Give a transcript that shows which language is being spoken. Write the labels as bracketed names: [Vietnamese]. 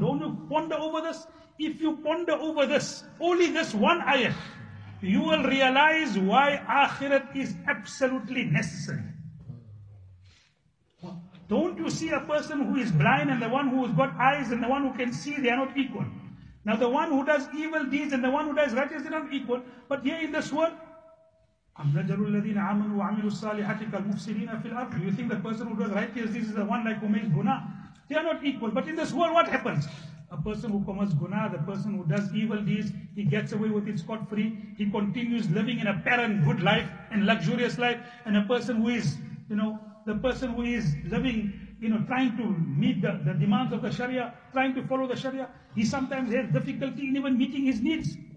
[English] Don't you ponder over this? If you ponder over this, only this one ayah, you will realize why akhirat is absolutely necessary. Don't you see a person who is blind and the one who has got eyes and the one who can see, they are not equal. Now the one who does evil deeds and the one who does righteous deeds are not equal. But here in this world, [Arabic] أَمْنَجَرُ الَّذِينَ عَامَنُوا وَعَمِلُوا الصَّالِحَاتِ كَالْمُفْسِدِينَ فِي الْأَرْضِ. [English] You think the person who does righteous deeds is the one like who makes guna? They are not equal. But in this world, what happens? A person who commits guna, the person who does evil deeds, he gets away with it scot-free. He continues living in apparent good life and luxurious life. And a person who is, the person who is living, trying to meet the demands of the Sharia, trying to follow the Sharia, he sometimes has difficulty in even meeting his needs.